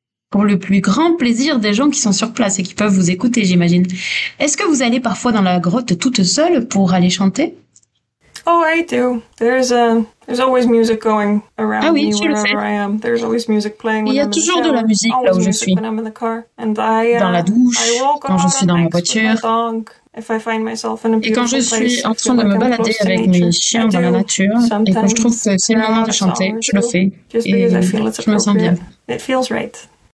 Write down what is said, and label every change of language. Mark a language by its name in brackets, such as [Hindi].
[French] Pour le plus grand plaisir des gens qui sont sur place et qui peuvent vous écouter, j'imagine. Est-ce que vous allez parfois dans la grotte toute seule pour aller chanter? [English] Oh, I do. There's always music going around me wherever I am. There's always music playing when I'm in the shower. [French] Il y a toujours de la musique là où je suis. [English] When I'm in the car. And [French] dans la douche, quand je suis dans ma voiture. [English] If I find myself in a [French] et quand je suis en train de me balader avec mes chiens dans la nature et quand je trouve que c'est le moment de chanter, je le fais et je me sens bien. [English] It feels right.